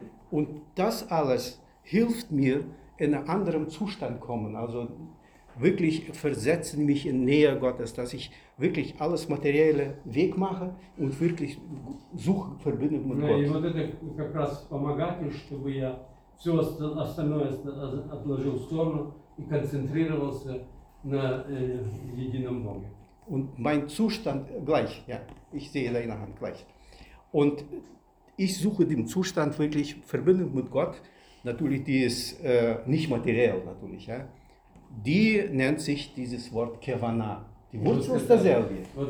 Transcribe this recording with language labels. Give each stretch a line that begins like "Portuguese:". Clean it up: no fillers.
German: Und das alles hilft mir, in einen anderen Zustand kommen, also wirklich versetzen mich in Nähe Gottes, dass ich wirklich alles materielle Weg mache und wirklich suche Verbindung mit Gott. Ja, und das hilft mir,
Russian: чтобы я все остальное отложил в сторону и концентрировался на едином Боге.
German: Und mein Zustand gleich, ja, ich sehe deine Hand gleich. Und ich suche den Zustand wirklich Verbindung mit Gott. Natürlich, die ist nicht materiell, natürlich. Ja. Die nennt sich dieses Wort Kevana. Die Wurzel ist dasselbe.